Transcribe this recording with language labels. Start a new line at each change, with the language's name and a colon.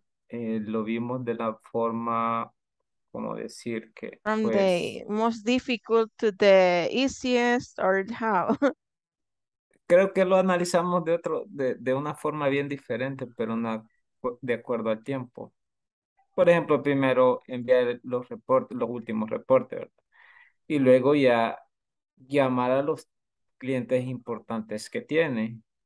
Spanish: Lo vimos de la forma, como decir que...
English: From the most difficult to the easiest, or how?
Spanish: Creo que lo analizamos de una forma bien diferente, pero de acuerdo al tiempo. Por ejemplo, primero enviar los reportes, los últimos reportes, ¿verdad? Y luego ya llamar a los clientes importantes que tiene.